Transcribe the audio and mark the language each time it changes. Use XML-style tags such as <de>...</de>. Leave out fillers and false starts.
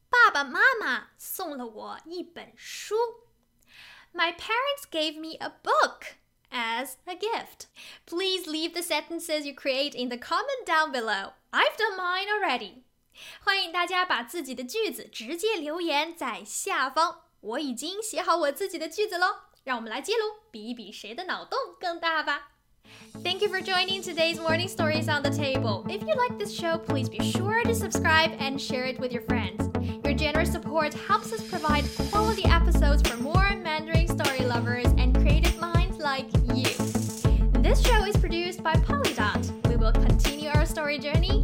<zh>爸爸妈妈送了我一本书.</zh> <en>My parents gave me a book as a gift. Please leave the sentences you create in the comment down below. I've done mine already.</en> <zh>欢迎大家把自己的句子直接留言在下方。我已经写好我自己的句子咯。让我们来揭露，比一比谁的脑洞更大吧。</zh> <en>Thank you for joining today's Morning Stories on the Table. If you like this show, please be sure to subscribe and share it with your friends. Your generous support helps us provide quality episodes for more Mandarin story lovers and creative minds like you. This show is produced by Polydot. We will continue our story journey.</en>